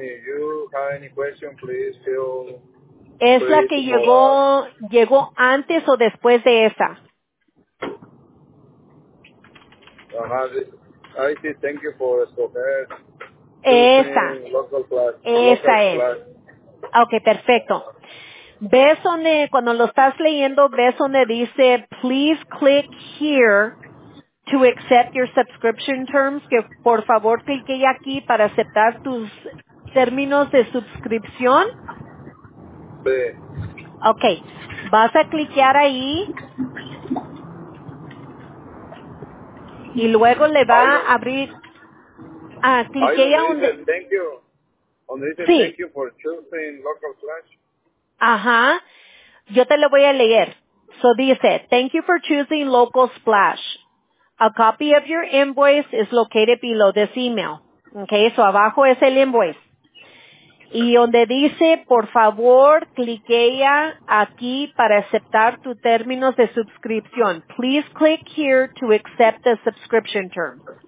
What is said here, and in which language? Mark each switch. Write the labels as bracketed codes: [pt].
[en] If you have any question, please feel. [es] Es la que llegó antes o después de esa. [en] Ajá. I see. Thank you for escoger. [es] Esa. [en] Local Splash. [es] Esa es. Ok, perfecto. ¿Ves donde, cuando lo estás leyendo, ves donde dice, [en] please click here to accept your subscription terms, [es] que por favor clique aquí para aceptar tus términos de suscripción? Sí. Ok. Vas a cliquear ahí. Y luego le va a abrir. Ah, cliquea donde. Donde dice, [en] thank you. [es] Donde dice, sí. [en] Thank you for choosing Local Splash. [es] Ajá, yo te lo voy a leer. [en] So dice, thank you for choosing Local Splash. A copy of your invoice is located below this email. Okay, so [es] abajo es el invoice. Y donde dice, por favor, cliquea aquí para aceptar tus términos de suscripción. [en] Please click here to accept the subscription term.